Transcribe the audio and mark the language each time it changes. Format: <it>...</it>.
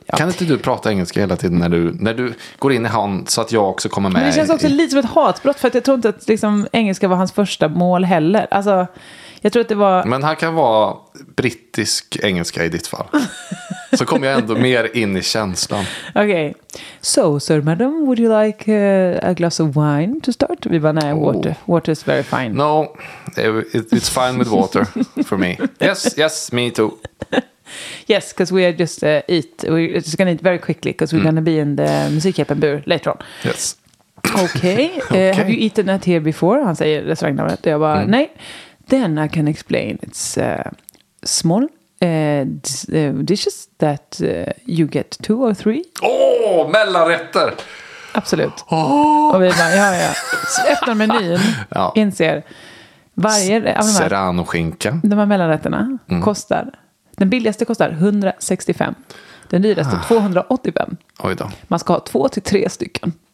<sv>Kan inte du prata engelska hela tiden när du går in i hand så att jag också kommer med? Men det känns också lite som ett hatbrott. För att jag tror inte att liksom, engelska var hans första mål heller. Alltså... Jag tror att det var... Men han kan vara brittisk engelska i ditt fall. Så kommer jag ändå mer in i känslan. Okej. Okay.</sv> <en>So, sir, madam, would you like a glass of wine to start?</en> <sv>Vi bara, nej,</sv> <en>water. Water is very fine. No, it's fine with water for me. Yes, me too. Yes, because we are just we're just gonna eat very quickly because we're gonna be in the</en> <sv>musikhjälpen bur</sv> <en>later on. Yes. Okay. Have you eaten that here before?</en> <sv>Han säger restaurangnamnet. Jag bara, nej.</sv> <en>Then I can explain. It's small dishes that you get two or three.</en> <sv>Åh, mellanrätter! Absolut. Oh. Och vi bara, ja, ja. Efter menyn inser varje av de här, serrano skinka. De här mellanrätterna kostar, den billigaste kostar 165. Den dyraste 285. Oj då. Man ska ha 2-3 stycken.</sv>